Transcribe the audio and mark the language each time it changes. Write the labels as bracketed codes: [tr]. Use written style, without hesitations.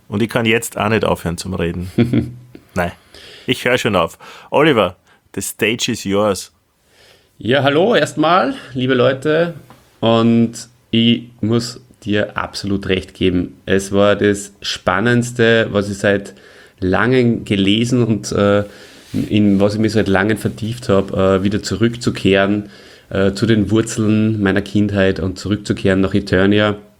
[de] Und ich kann jetzt auch nicht aufhören zum Reden. Nein. Ich höre schon auf. [en] Oliver, the stage is yours. [de] Ja, hallo erstmal, liebe Leute. Und ich muss dir absolut recht geben. Es war das Spannendste, was ich seit Langem gelesen und in was ich mich seit Langem vertieft habe, wieder zurückzukehren zu den Wurzeln meiner Kindheit und zurückzukehren nach Eternia.